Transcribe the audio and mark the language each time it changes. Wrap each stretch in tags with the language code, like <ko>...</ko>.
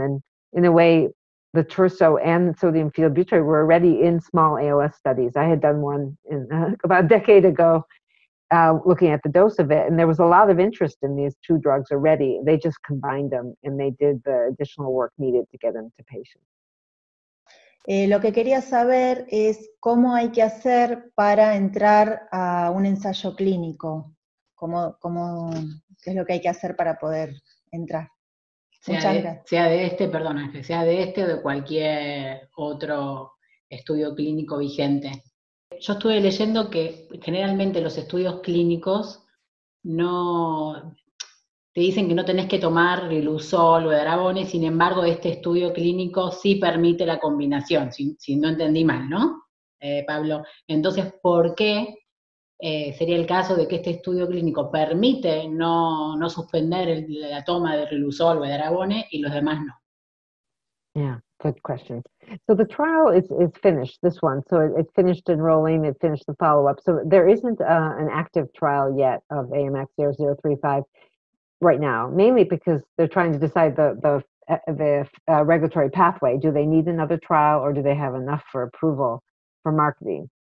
<en>And in a way, the Torso and sodium phenylbutyrate were already in small ALS studies. I had done one in, about a decade ago looking at the dose of it, and there was a lot of interest in these two drugs already. They just combined them and they did the additional work needed to get them to patients.</en> <es>Lo que quería saber es cómo hay que hacer para entrar a un ensayo clínico. ¿Cómo qué es lo que hay que hacer para poder entrar? Sea de este o de cualquier otro estudio clínico vigente. Yo estuve leyendo que generalmente los estudios clínicos no te dicen que no tenés que tomar Riluzol o Edaravone, sin embargo este estudio clínico sí permite la combinación, si no entendí mal, ¿no, Pablo? Entonces, ¿por qué sería el caso de que este estudio clínico permite no suspender la toma de Riluzol o Edaravone y los demás no?</es> <en>Yeah, good question. So the trial is finished, this one. So it finished enrolling, it finished the follow-up. So there isn't an active trial yet of AMX0035 right now, mainly because they're trying to decide the regulatory pathway. Do they need another trial or do they have enough for approval for marketing?</en>